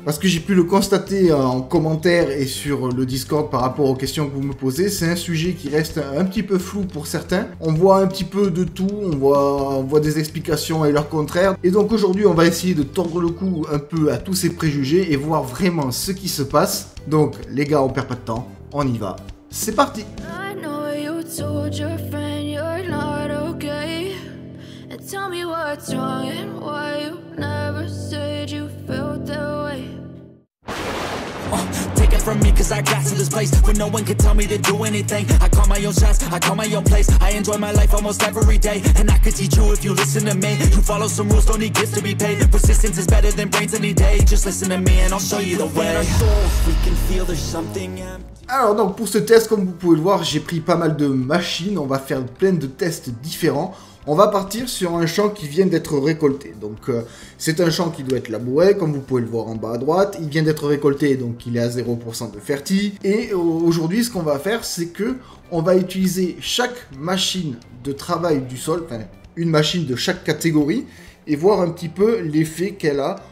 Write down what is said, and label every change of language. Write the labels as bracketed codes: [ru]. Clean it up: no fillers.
[fr] Parce que j'ai pu le constater en commentaire et sur le Discord par rapport aux questions que vous me posez, c'est un sujet qui reste un petit peu flou pour certains. On voit un petit peu de tout, on voit des explications et leur contraire. Et donc aujourd'hui on va essayer de tordre le cou un peu à tous ces préjugés et voir vraiment ce qui se passe. Donc les gars, on perd pas de temps, on y va. C'est parti! [en] Told your friend you're not okay, and tell me what's wrong and why you never said you felt that way. Take it from me, cause I got to this place where no one can tell me to do anything. I call my own shots, I call my own place. I enjoy my life almost every day, and I could teach you if you listen to me. You follow some rules, don't need gifts to be paid. Persistence is better than brains any day. Just listen to me and I'll show you the way. We can feel there's something empty. [fr] Alors donc pour ce test, comme vous pouvez le voir, j'ai pris pas mal de machines, on va faire plein de tests différents. On va partir sur un champ qui vient d'être récolté. Donc c'est un champ qui doit être labouré, comme vous pouvez le voir en bas à droite. Il vient d'être récolté, donc il est à 0% de fertilité. Et aujourd'hui, ce qu'on va faire, c'est que on va utiliser chaque machine de travail du sol, enfin une machine de chaque catégorie, et voir un petit peu l'effet qu'elle a.